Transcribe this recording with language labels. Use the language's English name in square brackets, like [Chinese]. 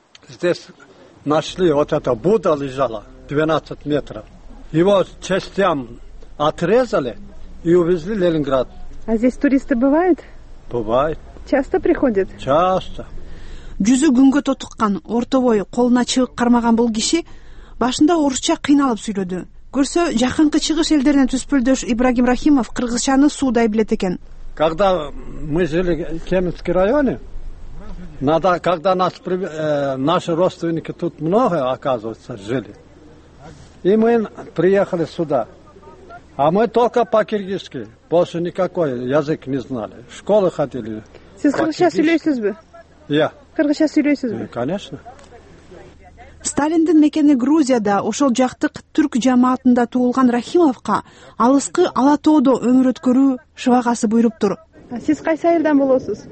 [Russian] Здесь нашли вот это Будда лежала 12 метров. Его частям отрезали и увезли в Ленинград. А здесь туристы бывают? Бывают. Часто приходят? Часто. [Kyrgyz] Жүзү күнгө тоткан, ортобой, колуна чыгып кармаган бул киши башында орусча кыйналып сүйлөдү. Көрсө, жакынкы чыгыш элдеринен түспөлдөш Ибрагим Рахимов кыргызчаны суудай билет экен. [Russian] Когда мы жили в Кеминский районе, надо, когда наши родственники тут много, оказывается, жили, и мы приехали сюда. А мы только по-киргизски, больше никакой язык не знали. В школы ходили. [Kyrgyz] Сиз кыргызча сүйлөйсүзбү? [Russian] Я. [Kyrgyz] Кыргызча сүйлөйсүзбү? [Russian] Конечно. [Kyrgyz] Сталиндин мекени Грузияда, ошол жактык түрк жамаатында туулган Рахимовко алыскы Алатоодо өмүр өткөрүү шыбагасы буйруп тур. Сиз кайсы айылдан болосуз?